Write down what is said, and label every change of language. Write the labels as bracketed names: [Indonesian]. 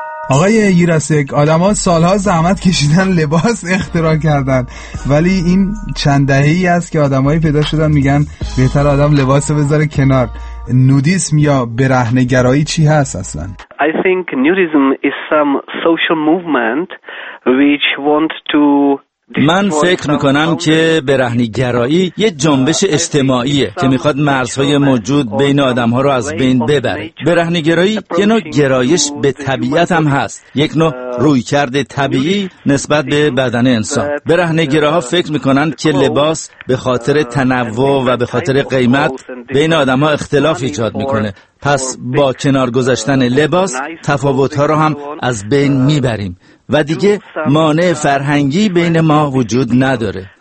[Persian] آقای ییراسک، آدم ها سالها زحمت کشیدن لباس اختراع کردن، ولی این چند دهه ای است که آدم هایی پیدا شدن میگن بهتر آدم لباس بذاره کنار. نودیسم یا برهنه‌گرایی چی هست اصلا؟ [English] I think nudism is some social movement which want to... [Persian] من فکر میکنم که برهنه‌گرایی یه جنبش اجتماعیه که میخواد مرزهای موجود بین آدمها رو از بین ببره. برهنه‌گرایی یه نوع گرایش به طبیعت هم هست، یک نوع رویکرد طبیعی نسبت به بدن انسان. برهنه‌گراها فکر میکنن که لباس به خاطر تنوع و به خاطر قیمت بین آدمها اختلاف ایجاد میکنه، پس با کنار گذاشتن لباس تفاوتها رو هم از بین میبریم و دیگه مانع فرهنگی بین ما وجود نداره.